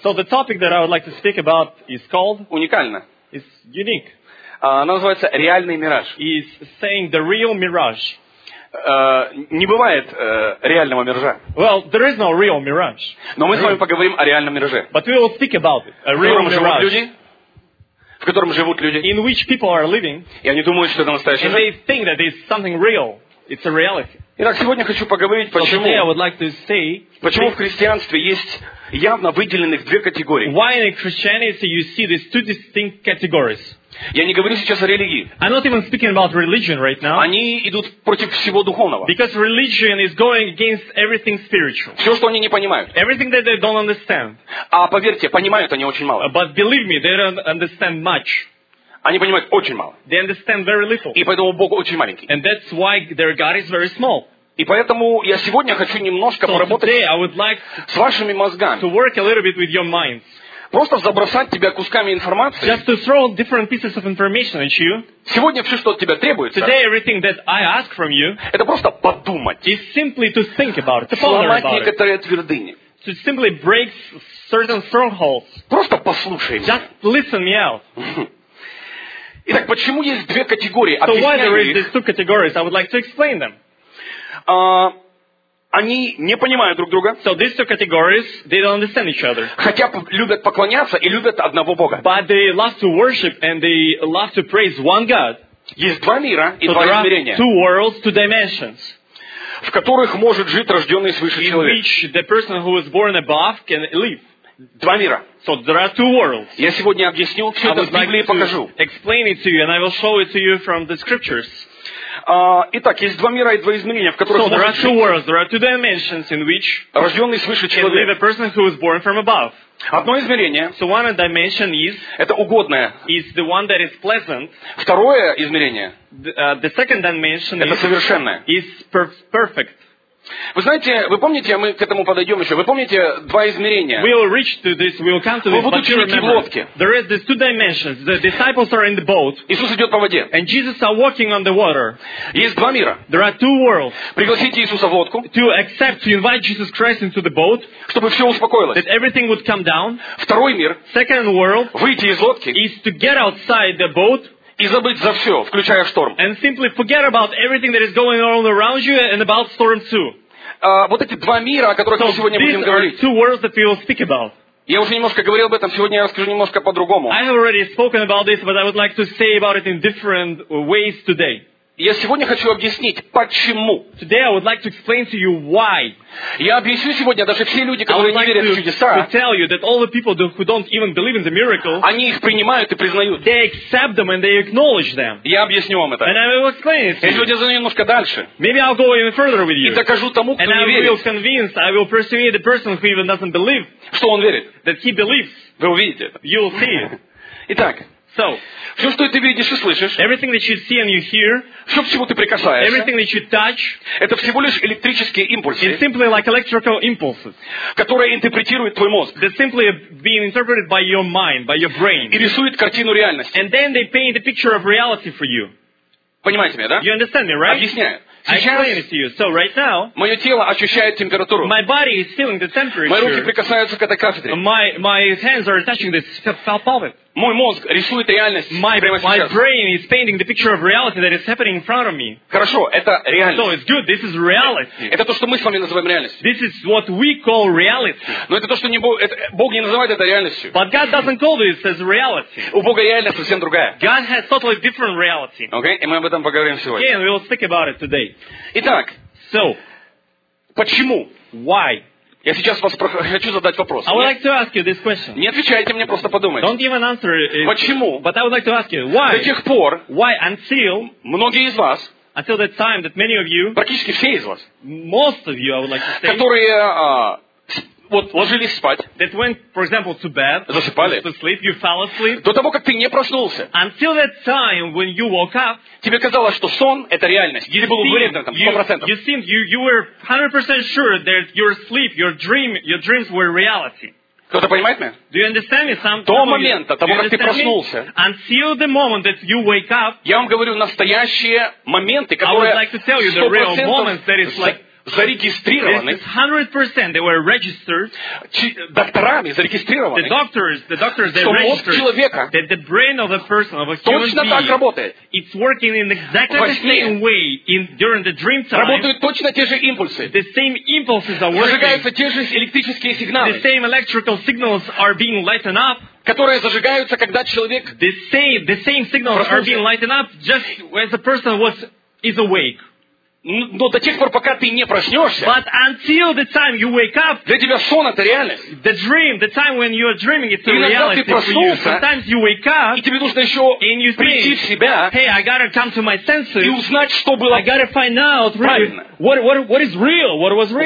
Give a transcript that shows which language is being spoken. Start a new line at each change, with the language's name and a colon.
English: So the topic that I would like to speak about is called.
Russian: Уникально.
English: It's unique.
Russian: Она называется реальный мираж.
English: Is saying the real mirage.
Russian: Не бывает реального миража.
English: Well, there is no real mirage.
Russian: Но мы с вами поговорим о реальном мираже.
English: But we will speak about it. A real mirage.
Russian: В котором живут люди.
English: In which people are living.
Russian: И они думают, что это настоящее.
English: And they think that it's something real. It's a reality.
Russian: Итак, сегодня хочу поговорить, почему.
English: Today I would like to say.
Russian: Почему в христианстве есть явно выделенных две категории.
English: Why in Christianity you see these two distinct categories?
Russian: Я не говорю сейчас о религии.
English: I'm not even speaking about religion right now.
Russian: Они идут против всего духовного.
English: Because religion is going against everything spiritual.
Russian: Все, что они не понимают.
English: Everything that they don't understand.
Russian: А поверьте, понимают они очень мало.
English: But believe me, they don't understand much.
Russian: Они понимают очень мало.
English: They understand very little.
Russian: И поэтому Бог очень маленький.
English: And that's why their God is very small.
Russian: И поэтому я сегодня хочу немножко поработать
English: today I would like
Russian: с вашими мозгами.
English: To work a little bit with your minds.
Russian: Просто забросать тебя кусками информации.
English: Just to throw different pieces of information at you.
Russian: Сегодня все, что от тебя требуется.
English: Today everything that I ask from you.
Russian: Это просто подумать.
English: Is simply to think about it. To ponder about it.
Russian: Сломать некоторые твердыни.
English: To simply break certain strongholds.
Russian: Просто послушай.
English: Just listen me out.
Russian: Итак, почему есть две категории?
English: So why there is these two categories? I would like to explain them.
Russian: Они не понимают друг друга.
English: So these two categories, they don't understand each other.
Russian: Хотя любят поклоняться и любят одного Бога.
English: But they love to worship and they love to praise one God.
Russian: Есть два мира и два измерения.
English: So there are two worlds, two dimensions.
Russian: В которых может жить рожденный свыше человек.
English: In which the person who was born above can live.
Russian: Два мира.
English: So there are two worlds.
Russian: Я сегодня объясню, все это в Библии покажу.
English: I would like to explain it to you and I will show it to you from the scriptures.
Russian: Итак, есть два мира и два измерения, в которых
English: so,
Russian: может жить.
English: Worlds, there are two dimensions in which
Russian: рожденный свыше человек.
English: A person who is born from above.
Russian: Одно измерение.
English: So one dimension is.
Russian: Это угодное.
English: Is the one that is pleasant.
Russian: Второе измерение.
English: The second dimension
Russian: это совершенное.
English: Is perfect.
Russian: Вы знаете, вы помните, мы к этому подойдем еще. Вы помните два измерения?
English: We will reach to this, we will come to this.
Russian: Вы будете идти в лодке.
English: There is these two dimensions. The disciples are in the boat.
Russian: Иисус идет по воде.
English: And Jesus are walking on the water.
Russian: Есть два мира.
English: There are two worlds.
Russian: Пригласите Иисуса в лодку.
English: To accept, to invite Jesus Christ into the boat.
Russian: Чтобы все успокоилось.
English: That everything would come down.
Russian: Второй мир.
English: Second world.
Russian: Выйти из лодки.
English: Is to get outside the boat.
Russian: И забыть за все, включая шторм.
English: And simply forget about everything that is going on around you and about storm too.
Russian: Вот эти два мира, о которых
English: so
Russian: мы сегодня будем говорить.
English: Two worlds that we will speak about.
Russian: Я уже немножко говорил об этом, сегодня я расскажу немножко по-другому.
English: I have already spoken about this, but I would like to say about it in different ways today.
Russian: Я сегодня хочу объяснить, почему.
English: Today I would like to explain to you why.
Russian: Я объясню сегодня даже все люди, которые
English: like
Russian: не верят в чудеса.
English: I would like to tell you that all the people who don't even believe in the miracle.
Russian: Они их принимают и признают.
English: They accept them and they acknowledge them.
Russian: Я объясню вам это.
English: And I will explain it to you.
Russian: Я сегодня зайду немножко дальше.
English: Maybe I'll go even further with you.
Russian: И докажу тому, кто
English: and
Russian: не верит.
English: And I will convince, I will persuade the person who even doesn't believe.
Russian: Что он верит.
English: That he believes.
Russian: Вы увидите это.
English: You will see it.
Russian: Итак.
English: So,
Russian: все, что ты видишь и слышишь,
English: everything that you see and you hear,
Russian: все, к чему ты прикасаешься,
English: everything that you touch,
Russian: это всего лишь электрические импульсы,
English: it's simply like electrical impulses,
Russian: которые интерпретирует твой мозг,
English: that simply being interpreted by your mind, by your brain,
Russian: и рисует картину реальности,
English: and then they paint a picture of reality for you.
Russian: Понимаете меня, да?
English: You understand me, right?
Russian: Объясняю. Сейчас
English: I explain it to you. So right now,
Russian: мое тело ощущает температуру.
English: My body is feeling the temperature.
Russian: Мои руки прикасаются к этой кафедре.
English: My hands are touching this pulpit.
Russian: Мой мозг рисует реальность прямо сейчас.
English: My brain is painting the picture of reality that is happening in front of me.
Russian: Хорошо, это реальность.
English: So it's good. This is reality.
Russian: Это то, что мы с вами называем реальностью.
English: This is what we call reality.
Russian: Но это то, что Бог не называет это реальностью.
English: But God doesn't call this as reality.
Russian: У Бога реальность совсем другая.
English: God has totally different reality.
Russian: Okay, и мы об этом поговорим сегодня.
English: Okay, and we will speak about it today.
Russian: Итак,
English: so,
Russian: почему?
English: Why?
Russian: Я сейчас вас хочу задать вопрос.
English: I would like to ask you this question.
Russian: Не отвечайте мне, просто подумайте.
English: Don't even answer it.
Russian: Почему?
English: But I would like to ask you why.
Russian: До тех пор.
English: Why until?
Russian: Многие из вас.
English: Until that time that many of you.
Russian: Практически все из вас.
English: Most of you, I would like to say.
Russian: Которые вот ложились спать.
English: That went, for example, to bed.
Russian: Засыпали.
English: To sleep, you fell asleep.
Russian: До того, как ты не проснулся.
English: Until that time when you woke up.
Russian: Тебе казалось, что сон — это реальность. Или был уверен там 100%.
English: You seemed, you were 100% sure that your sleep, your dreams were reality.
Russian: Кто-то понимает меня?
English: Do you understand me? Some
Russian: до момента, того, как ты проснулся.
English: Until the moment that you wake up.
Russian: Я вам говорю настоящие моменты, которые
English: 100%. I would like to tell you the real moments that is like.
Russian: Зарегистрированы.
English: 100% they were registered.
Russian: Докторами зарегистрированы.
English: The doctors they registered.
Russian: Что мозг человека?
English: That the brain of a person of a human being.
Russian: Точно так работает.
English: It's working in exactly the same way in during the dream time.
Russian: Работают точно те же импульсы.
English: The same impulses are working.
Russian: Зажигаются те же электрические сигналы.
English: The same electrical signals are being lighted up.
Russian: Которые зажигаются, когда человек.
English: The same signals are being lighted up just as a person is awake.
Russian: Но до тех пор, пока ты не проснешься.
English: But until the time you wake up.
Russian: Для тебя сон — это реальность.
English: The dream, the time when you are dreaming, it's a reality.
Russian: Иногда ты проснулся.
English: Sometimes you wake up.
Russian: И тебе нужно еще прийти в себя.
English: Hey, I gotta come to my senses.
Russian: И узнать, что было.
English: I gotta find out really, what is real, what was real.